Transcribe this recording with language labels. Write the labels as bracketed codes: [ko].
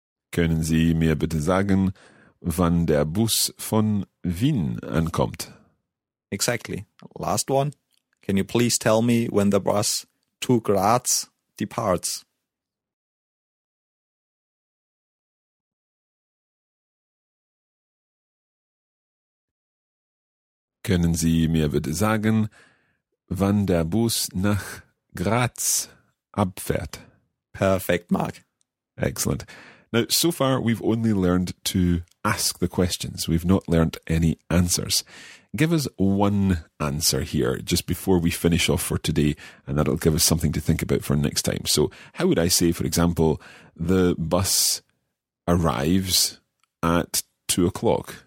[de] Können Sie mir bitte sagen, wann der Bus von Wien ankommt? [en] Exactly. Last one. Can you please tell me when the bus to Graz departs? [de] Können Sie mir bitte sagen, wann der Bus nach Graz abfährt? [en] Perfect, Mark. Excellent. Now, so far, we've only learned to ask the questions. We've not learned any answers. Give us one answer here just before we finish off for today, and that'll give us something to think about for next time. So how would I say, for example, the bus arrives at 2 o'clock?